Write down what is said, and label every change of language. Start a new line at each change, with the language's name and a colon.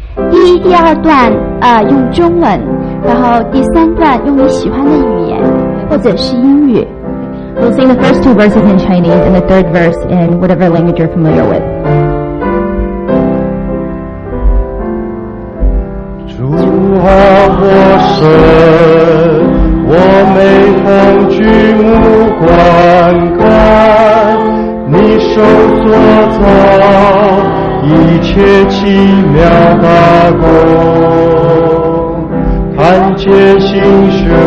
Chinese: 第二段用中文，然后第三段用你喜欢的语言，或者是英语。
English: We'll sing the first two verses in Chinese and the third verse in whatever language you're familiar with.
Chinese: 主啊，我神，我每逢举目观看，你手所造一切奇妙大功，看见星宿，